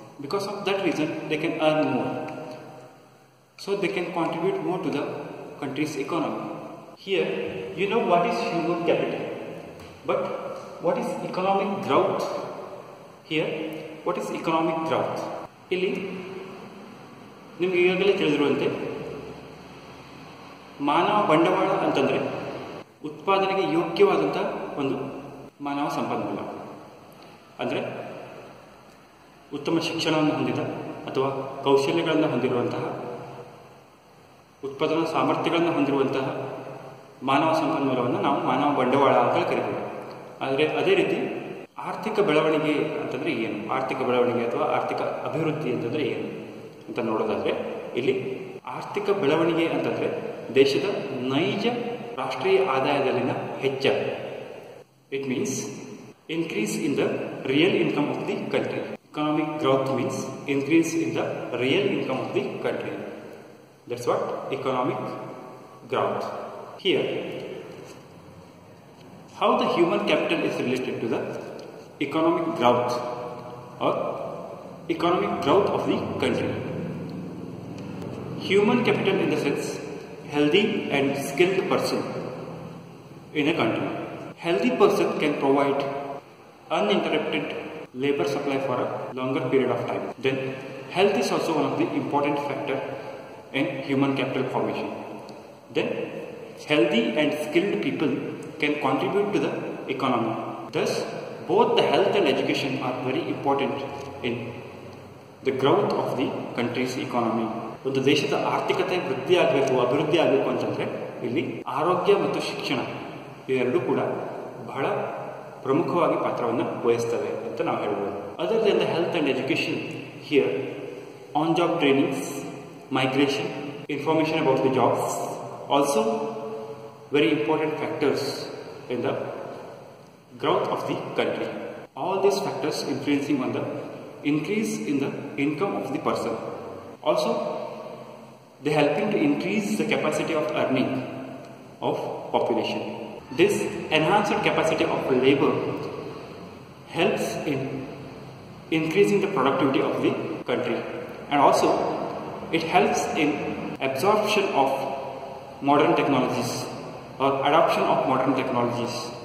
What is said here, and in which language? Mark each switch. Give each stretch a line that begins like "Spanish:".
English: Because of that reason, they can earn more. So they can contribute more to the country's economy. Here, you know what is human capital. But what is economic growth? Here, what is economic growth?
Kannada: ಇಲ್ಲಿ ನಿಮಗೆ ಈಗಾಗಲೇ ತಿಳಿದಿರುವಂತೆ ಮಾನವ ಬಂಡವಾಳ ಅಂತಂದರೆ ಉತ್ಪಾದನೆಗೆ ಯೋಗ್ಯವಾದಂಥ ಒಂದು ಮಾನವ ಸಂಪನ್ಮೂಲ, ಅಂದರೆ ಉತ್ತಮ ಶಿಕ್ಷಣವನ್ನು ಹೊಂದಿದ ಅಥವಾ ಕೌಶಲ್ಯಗಳನ್ನು ಹೊಂದಿರುವಂತಹ, ಉತ್ಪಾದನಾ ಸಾಮರ್ಥ್ಯಗಳನ್ನು ಹೊಂದಿರುವಂತಹ ಮಾನವ ಸಂಪನ್ಮೂಲವನ್ನು ನಾವು ಮಾನವ ಬಂಡವಾಳ ಅಂತ ಕರಿಬೋದು. ಆದರೆ ಅದೇ ರೀತಿ ಆರ್ಥಿಕ ಬೆಳವಣಿಗೆ ಅಂತಂದರೆ ಏನು, ಆರ್ಥಿಕ ಬೆಳವಣಿಗೆ ಅಥವಾ ಆರ್ಥಿಕ ಅಭಿವೃದ್ಧಿ ಅಂತಂದರೆ ಏನು ಅಂತ ನೋಡೋದಾದರೆ, ಇಲ್ಲಿ ಆರ್ಥಿಕ ಬೆಳವಣಿಗೆ ಅಂತಂದರೆ ದೇಶದ ನೈಜ ರಾಷ್ಟ್ರೀಯ ಆದಾಯದಲ್ಲಿನ ಹೆಚ್ಚ.
English: It means increase in the real income of the country. Economic growth means increase in the real income of the country. That's what economic growth. Here how the human capital is related to the economic growth or economic growth of the country. Human capital in the sense healthy and skilled person in a country. Healthy person can provide uninterrupted labor supply for a longer period of time. Then health is also one of the important factor in human capital formation. Then healthy and skilled people can contribute to the economy. Thus, both the health and education are very important in the growth of the country's economy.
Kannada: ಒಂದು ದೇಶದ ಆರ್ಥಿಕತೆ ವೃದ್ಧಿ ಆಗಬೇಕು, ಅಭಿವೃದ್ಧಿ ಆಗಬೇಕು ಅಂತಂದರೆ ಇಲ್ಲಿ ಆರೋಗ್ಯ ಮತ್ತು ಶಿಕ್ಷಣ ಇವೆರಡೂ ಕೂಡ ಬಹಳ ಪ್ರಮುಖವಾಗಿ ಪಾತ್ರವನ್ನು ವಹಿಸ್ತವೆ ಅಂತ ನಾವು ಹೇಳ್ಬೋದು. ಅದರ ದಿನ
English: Health and education, here on job trainings, migration, information about the jobs also very important factors in the growth of the country. All these factors influencing on the increase in the income of the person. Also, they helping to increase the capacity of earning of population. This enhanced capacity of labor helps in increasing the productivity of the country, and also it helps in absorption of modern technologies or adoption of modern technologies.